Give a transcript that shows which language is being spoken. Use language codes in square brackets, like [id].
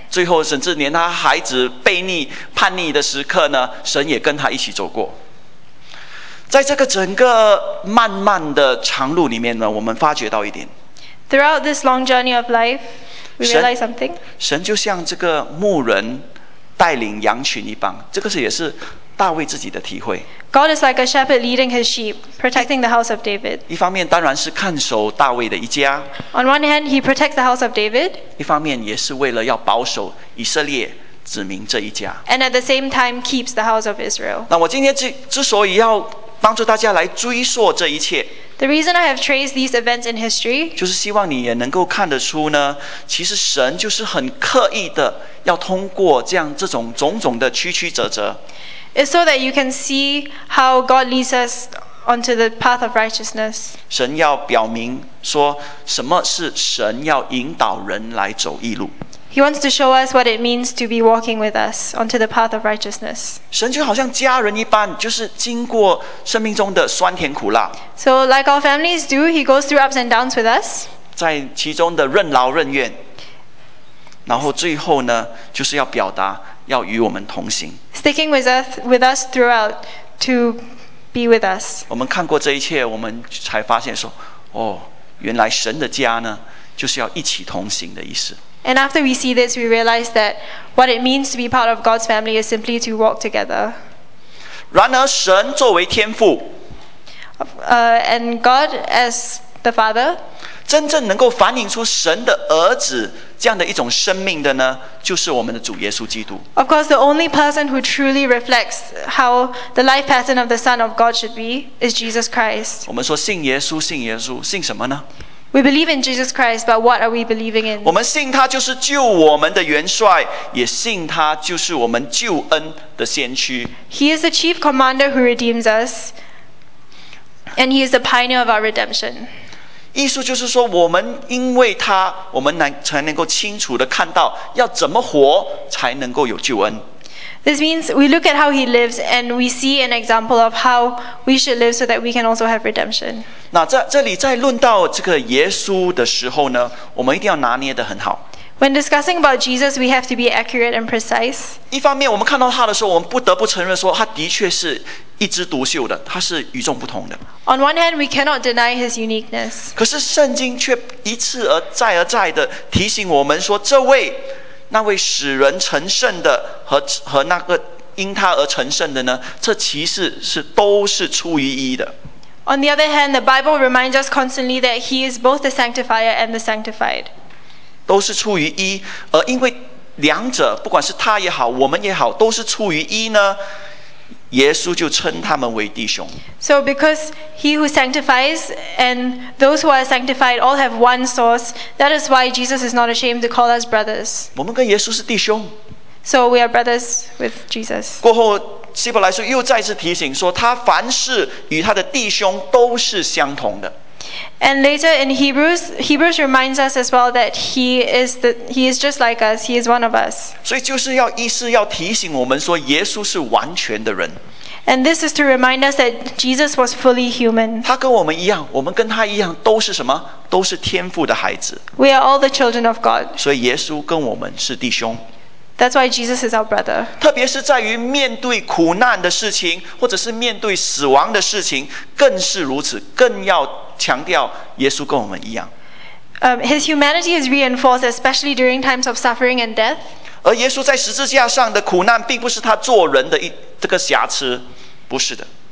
[zh] 最后甚至连他孩子悖逆叛逆的时刻呢，神也跟他一起走过。在这个整个漫漫的长路里面呢，我们发觉到一点。 [en] Throughout this long journey of life, we realize something. [zh] 神就像这个牧人带领羊群一般，这个也是大卫自己的体会。 [en] God is like a shepherd leading his sheep, protecting the house of David. [zh] 一方面当然是看守大卫的一家。 [en] On one hand, he protects the house of David. [zh] 一方面也是为了要保守以色列。指明这一家。 [en] And at the same time keeps the house of Israel. [zh] 那我今天之所以要帮助大家来追溯这一切。 [en] The reason I have traced these events in history. [zh] 就是希望你也能够看得出呢，其实神就是很刻意的要通过这样这种种种的曲曲折折。 [en] It's so that you can see how God leads us onto the path of righteousness. [zh] 神要表明说什么是神要引导人来走义路。 [en] He wants to show us what it means to be walking with us onto the path of righteousness. [zh] 神就好像家人一般，就是经过生命中的酸甜苦辣。 [en] So like our families do, he goes through ups and downs with us. [zh] 在其中的任劳任怨，然后最后呢，就是要表达要与我们同行。 [en] Sticking with us throughout to be with us. [zh] 我们看过这一切，我们才发现说，哦，原来神的家呢，就是要一起同行的意思。 [en] And after we see this, we realize that what it means to be part of God's family is simply to walk together. [zh] 然而神作为天父, [en] and God as the Father, [zh] 真正能够反映出神的儿子这样的一种生命的呢，就是我们的主耶稣基督。 [en] Of course, the only person who truly reflects how the life pattern of the Son of God should be is Jesus Christ. [zh] 我们说信耶稣，信耶稣，信什么呢？ [en] We believe in Jesus Christ, but what are we believing in? [zh] 我们信他就是救我们的元帅，也信他就是我们救恩的先驱。 [en] He is the chief commander who redeems us, and he is the pioneer of our redemption. [zh] 意思就是说，我们因为他，我们才能够清楚地看到要怎么活才能够有救恩。 [en] This means we look at how he lives and we see an example of how we should live so that we can also have redemption. [zh] 那这里在论到这个耶稣的时候呢，我们一定要拿捏得很好。 [en] When discussing about Jesus, we have to be accurate and precise. [zh] 一方面我们看到他的时候，我们不得不承认说他的确是一枝独秀的，他是与众不同的。 [en] On one hand, we cannot deny his uniqueness. [zh] 可是圣经却一次而再地提醒我们说，这位那位使人成圣的 和那个因他而成圣的呢，这其实是都是出于一的。 [en] On the other hand, the Bible reminds us constantly that he is both the sanctifier and the sanctified. [zh] 都是出于一，而因为两者不管是他也好我们也好都是出于一呢，耶稣就称他们为弟兄。 [en] So because he who sanctifies and those who are sanctified all have one source, that is why Jesus is not ashamed to call us brothers. [zh] 我们跟耶稣是弟兄。 [en] So we are brothers with Jesus. [zh] 过后，希伯来书又再次提醒说，他凡事与他的弟兄都是相同的。 [en] And later in Hebrews reminds us as well that he is just like us. He is one of us. [zh] 所以就是要意思要提醒我们说，耶稣是完全的人。 [en] And this is to remind us that Jesus was fully human. [zh] 他跟我们一样，我们跟他一样，都是什么？都是天父的孩子。 [en] We are all the children of God. [zh] 所以耶稣跟我们是弟兄。 [en] That's why Jesus is our brother. [zh] 特别是在于面对苦难的事情，或者是面对死亡的事情，更是如此，更要强调耶稣跟我们一样。 [en] His humanity is reinforced, especially during times of suffering and death. [zh] 而耶稣在十字架上的苦难，并不是他做人的这个瑕疵，不是的。